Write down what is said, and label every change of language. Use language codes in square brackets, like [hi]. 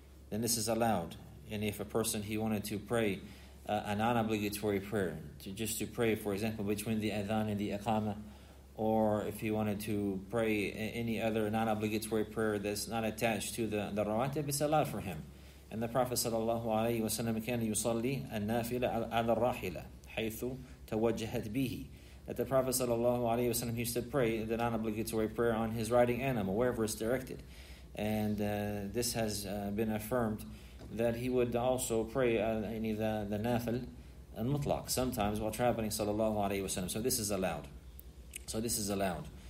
[en] And if a person, he wanted to pray a non-obligatory prayer, just to pray, for example, between the adhan and the iqamah, or if he wanted to pray any other non-obligatory prayer that's not attached to the rawatib, it's allowed for him. And the Prophet sallallahu alayhi wa sallam [ar] كان يصلي النافلة على الراحلة حيث توجهت به. [en] That the Prophet sallallahu alayhi wa sallam used to pray the non-obligatory prayer on his riding animal, wherever it's directed. And this has been affirmed that he would also pray any the nafil and mutlaq sometimes while traveling sallallahu alayhi wa sallam. So this is allowed.